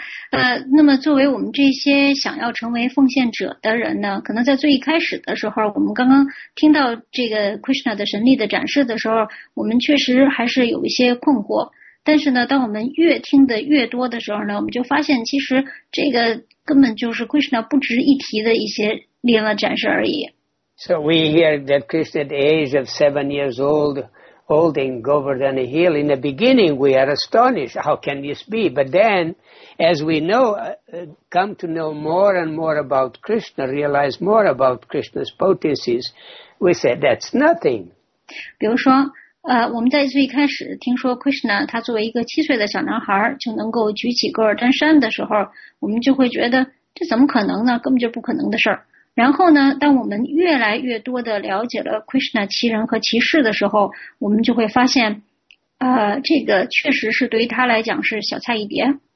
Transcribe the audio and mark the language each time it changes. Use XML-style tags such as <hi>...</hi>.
<zh>那么作为我们这些想要成为奉献者的人呢，可能在最一开始的时候，我们刚刚听到这个 Krishna 的神力的展示的时候，我们确实还是有一些困惑。但是呢，当我们越听的越多的时候呢，我们就发现其实这个根本就是 Krishna 不值一提的一些力量的展示而已。</zh> <en>So we hear that Krishna at the age of 7 years old,holding Govardhana Hill. In the beginning, we are astonished. How can this be? But then, as we know, come to know more and more about Krishna, realize more about Krishna's potencies, we say, that's nothing.</en> <zh>比如说，我们在最开始听说 Krishna, 他作为一个7岁的小男孩就能够举起戈尔丹山的时候，我们就会觉得，这怎么可能呢？根本就不可能的事儿。然后呢，当我们越来越多的了解了 Krishna 其人和其事的时候，我们就会发现，这个确实是对于他来讲是小菜一碟。</zh>